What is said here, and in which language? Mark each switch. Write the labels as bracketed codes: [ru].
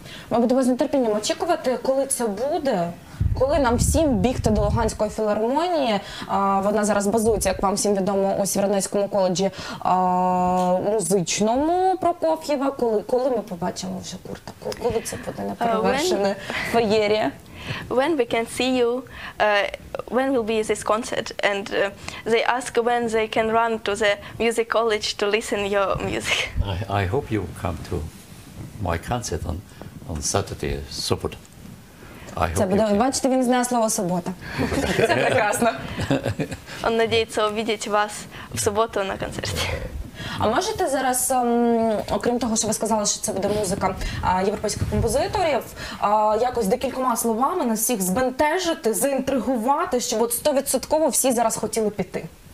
[uk] Ми будемо з нетерпінням очікувати, коли це буде, коли нам всім бігти до Луганської філармонії. Вона зараз базується, як вам всім відомо, у Сєвєродонецькому коледжі музичному Прокоф'єва. Коли ми побачимо вже Курта? Коли це буде на перевершене феєрія? [en] When we can see you, when will be this concert? And they ask when they can run to the music college to listen to your music. I hope you come to my concert on Saturday, Sobota. [uk] Це буде, бачите, він знає слово «субота». Це прекрасно. Він надіється побачити вас в суботу на концерті. А можете зараз, окрім того, що ви сказали, що це буде музика європейських композиторів, якось декількома словами нас всіх збентежити, заінтригувати, щоб от 100% всі зараз хотіли піти?